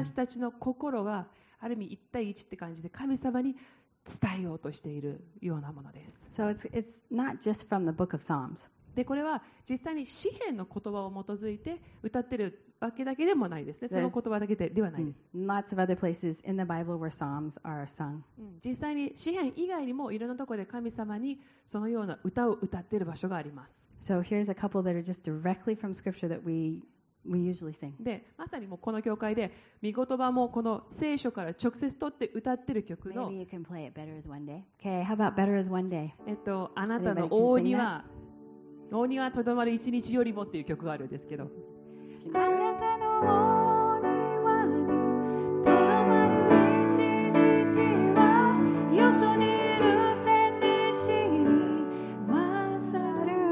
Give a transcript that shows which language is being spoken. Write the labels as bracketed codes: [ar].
[ja] 私たちの心がある意味一対一って感じで神様に伝えようとしているようなものです。 [en] So it's not just from the book of Psalms. [ja] でこれは実際に詩篇の言葉を基づいて歌っているわけだけでもないですね。その言葉だけではないです。 [en] Lots of other places in the Bible where psalms are sung. [ja] 実際に詩篇以外にもいろんなところで神様にそのような歌を歌っている場所があります。 [en] So here's a couple that are just directly from scripture that we usually sing. [ja] でまさにもうこの教会で御言葉もこの聖書から直接取って歌ってる曲の。 [en] Maybe you can play it better as one day. Okay, how about better as one day? [ja] あなたの大庭。大庭にとどまる一日よりもっていう曲があるんですけど、あなたの大庭にとどまる一日はよそにいる千日に勝る。